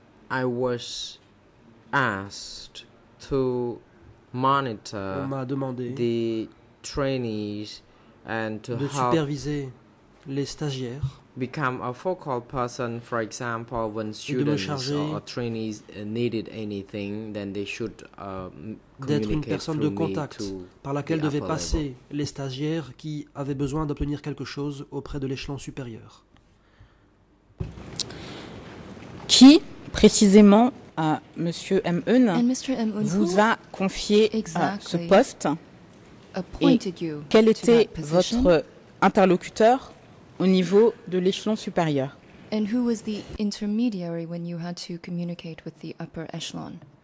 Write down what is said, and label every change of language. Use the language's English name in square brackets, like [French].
[English] I was asked to monitor the trainees and to help [French] superviser les stagiaires, [English] become a focal person, for example, when students or trainees needed anything, then they should communicate to me to [French] les stagiaires qui avaient besoin d'obtenir quelque chose auprès de l'échelon supérieur. Qui précisément, Monsieur M. Eun, vous a confié ce poste, et quel était votre interlocuteur au niveau de l'échelon supérieur? [English] And who was the intermediary when you had to communicate with the upper echelon?